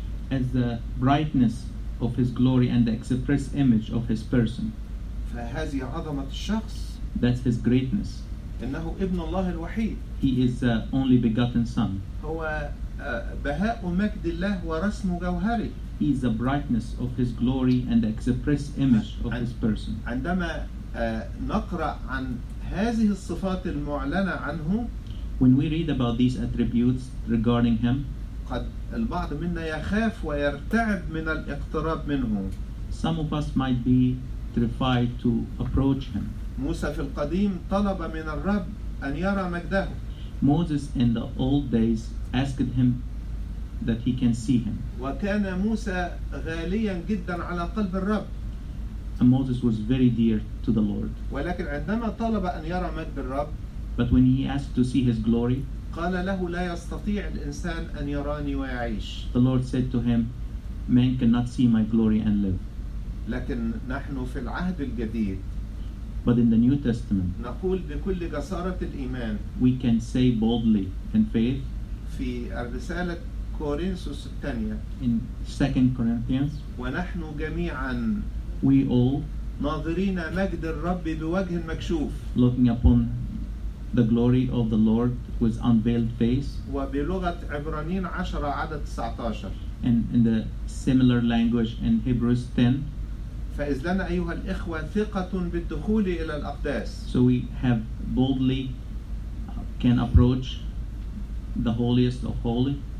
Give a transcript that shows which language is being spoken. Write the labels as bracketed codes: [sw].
[en] As the brightness of his glory and the express image of his person. [ar] فهذه عظمة الشخص. [en] That's his greatness. [ar] إنه ابن الله الوحيد. [en] He is the only begotten son. [ar] هو بهاء مجد الله ورسم جوهره. [en] He is the brightness of his glory and the express image of his person. [ar] عندما نقرأ عن هذه الصفات المعلنة عنه. [en] When we read about these attributes regarding him. [ar] قد البعض منا يخاف ويرتعب من الاقتراب منه. [en] Some of us might be terrified to approach him. [ar] موسى في القديم طلب من الرب أن يرى مجده. [en] Moses in the old days asked him that he can see him. [ar] وكان موسى غاليا جدا على قلب الرب. [en] And Moses was very dear to the Lord. [ar] ولكن عندما طلب أن يرى مجد الرب. [en] But when he asked to see his glory. [ar] قال له لا يستطيع الإنسان أن يراني ويعيش. [en] The Lord said to him, man cannot see my glory and live. [ar] لكن نحن في العهد الجديد. [en] But in the New Testament. [ar] نقول بكل جسارة الإيمان. [en] We can say boldly in faith. [ar] في الرسالة كورنثوس الثانية. [en] In 2 Corinthians. [ar] ونحن جميعا. [en] We all. [ar] ناظرين مجد الرب بوجه مكشوف. [en] Looking upon the glory of the Lord with unveiled face. [ar] وبلغة عبرانيين 10 عدد 19. [en] And in the similar language in Hebrews 10. [ar] فإذ لنا أيها الإخوة ثقة بالدخول إلى الأقداس. [en] So we have boldly can approach the holiest of holy.